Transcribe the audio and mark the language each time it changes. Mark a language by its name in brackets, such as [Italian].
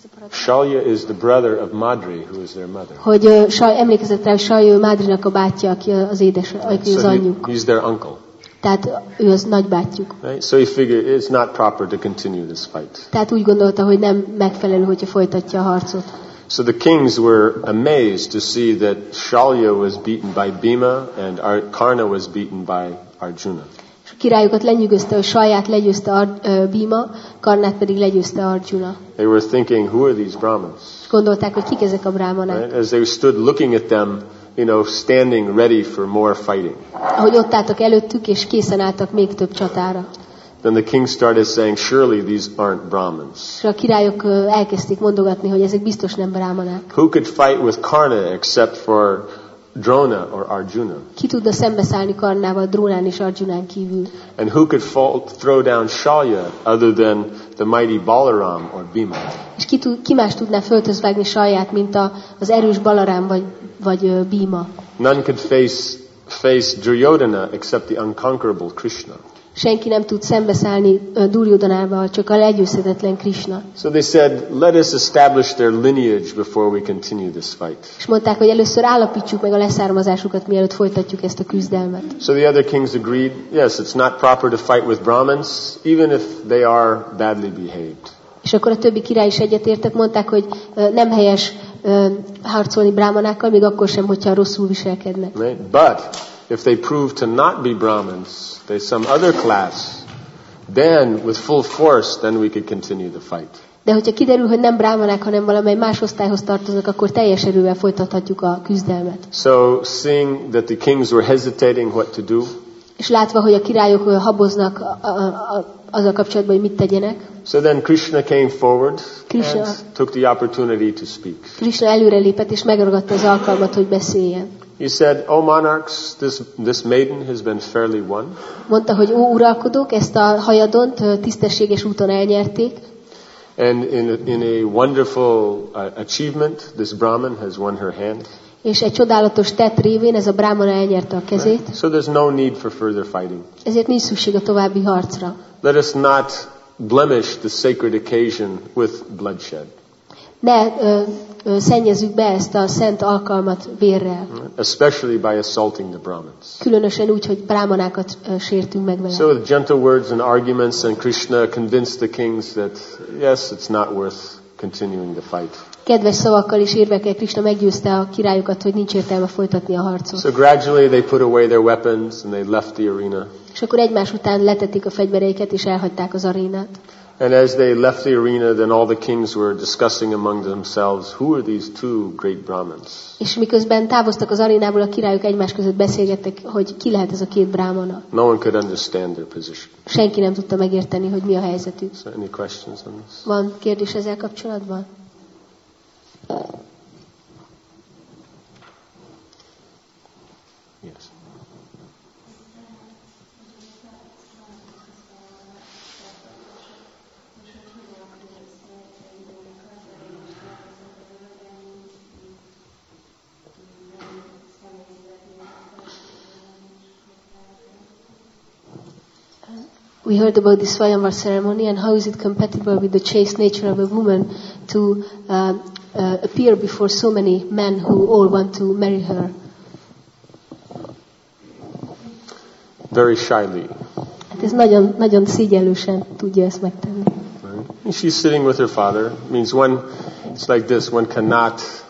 [English] Shalya is the brother of Madri, who is their mother. [Hungarian] Hogy emlékezett rá, hogy Shalya Madrinak a bátyja, aki az édes, aki az anyjuk. [English] So he's their uncle. [Hungarian] Tehát ő az nagybátyjuk. [English] Right? So he figured it's not proper to continue this fight. [Hungarian] Tehát úgy gondolta, hogy nem megfelelő, hogyha folytatja a harcot. [English] So the kings were amazed to see that Shalya was beaten by Bhima and Karna was beaten by Arjuna. [Hungarian] És a királyokat lenyűgözte, hogy Shalyát legyőzte Bhima, Karnát pedig legyőzte Arjuna. [English] They were thinking, who are these Brahmins? [Hungarian] És gondolták, hogy kik ezek a brahmanák? [English] Right? As they stood looking at them, you know, standing ready for more fighting. [Hungarian] Ahogy ott álltak előttük és készen álltak még több csatára. [English] Then the king started saying, surely these aren't Brahmins. [Hungarian] A királyok elkezdték mondogatni, hogy ezek biztos nem brahmanák. [English] Who could fight with Karna except for Drona or Arjuna? [Hungarian] Ki tudna szembeszállni Karnával, Drónán és Arjunán kívül? [English] And who could throw down Shalya other than the mighty Balaram or Bhima? [Hungarian] És ki más tudná föltözvágni Shalyát, mint az erős Balaram vagy Bhima? [English] None could face Duryodhana except the unconquerable Krishna. [Hungarian] Senki nem tud szembeszállni Duryodhanával, csak a legyőzhetetlen Krishna. [English] So they said, let us establish their lineage before we continue this fight. [Hungarian] És mondták, hogy először állapítsuk meg a leszármazásukat, mielőtt folytatjuk ezt a küzdelmet. [English] So the other kings agreed, yes, it's not proper to fight with Brahmins, even if they are badly behaved. [Hungarian] És akkor a többi király is egyetértett, mondták, hogy nem helyes harcolni brahmanákkal, még akkor sem, hogyha rosszul viselkednek. [English] Right? But if they prove to not be Brahmins, they some other class, then with full force, then we could continue the fight. [Hungarian] De hogyha kiderül, hogy nem brahmanák, hanem valamely más osztályhoz tartoznak, akkor teljes erővel folytathatjuk a küzdelmet. [English] So seeing that the kings were hesitating what to do, [Hungarian] és látva, hogy a királyok haboznak azzal kapcsolatban, hogy mit tegyenek, [English] so then Krishna came forward, Krishna, and took the opportunity to speak. [Hungarian] Krishna előrelépett és megragadta az alkalmat, hogy beszéljen. [English] He said, "O monarchs, this maiden has been fairly won." [Hungarian] Mondta, hogy ó uralkodók, ezt a hajadont tisztességes úton elnyerték. [English] And in a wonderful achievement, this Brahmin has won her hand. [Hungarian] És egy csodálatos tett révén ez a brámana elnyerte a kezét. [English] So there's no need for further fighting. [Hungarian] Ezért nincs szükség a további harcra. [English] Let us not blemish the sacred occasion with bloodshed. [Hungarian] Ne szennyezzük be ezt a szent alkalmat vérrel. [English] Especially by assaulting the Brahmins. [Hungarian] Különösen úgy, hogy brámanákat sértünk meg vele. [English] So with gentle words and arguments, and Krishna convinced the kings that yes, it's not worth continuing the fight. [Hungarian] Kedves szavakkal és érvekkel Krishna meggyőzte a királyokat, hogy nincs értelme folytatni a harcot. [English] So gradually they put away their weapons and they left the arena. [Hungarian] És akkor egymás után letették a fegyvereiket és elhagyták az arénát. [English] And as they left the arena, then all the kings were discussing among themselves, who are these two great Brahmins? [Hungarian] És miközben távoztak az arénából, a királyok egymás között beszélgettek, hogy ki lehet ez a két brahmana. [English] No one could understand their position. [Hungarian] Senki nem tudta megérteni, hogy mi a helyzetük. [English] So any questions on this? [Hungarian] Van kérdés ezzel kapcsolatban? [English] We heard about the Swayamvara ceremony and how is it compatible with the chaste nature of a woman to appear before so many men who all want to marry her? Very shyly. [Hungarian] Hát ez nagyon, nagyon szégyenlősen tudja ezt megtenni. [English] Right. She's sitting with her father. It means one, it's like this, one cannot...